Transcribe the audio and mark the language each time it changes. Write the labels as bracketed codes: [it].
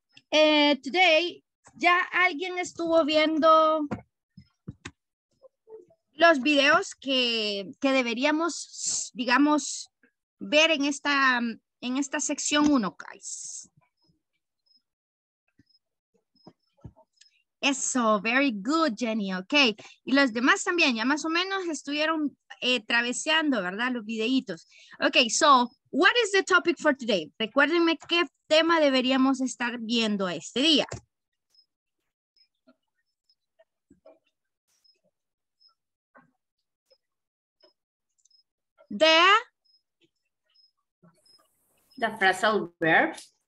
[en] Today, [es] ya alguien estuvo viendo los videos que deberíamos, digamos, ver en esta sección 1, [en] guys. [es] Eso, [en] very good, [es] Jenny, [en] ok. [es] Y los demás también, ya más o menos estuvieron traveseando, ¿verdad? Los videitos. [en] Ok, so, what is the topic for today? [es] Recuérdenme qué tema deberíamos estar viendo este día. [en] The phrasal verbs.